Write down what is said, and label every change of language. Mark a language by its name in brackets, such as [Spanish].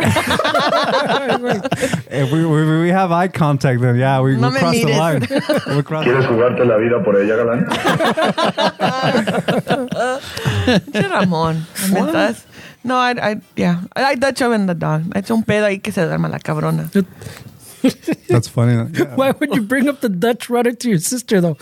[English] if we have eye contact, then yeah, we cross the line. [Spanish] ¿Quieres jugarte la vida por ella, Galán? Ramón. ¿Mientras? [English] No, I like that chub and the dog. [Spanish] Es un pedo ahí que se duerma la cabrona. [English] That's funny. Yeah. Why would you bring up the Dutch runner to your sister, though?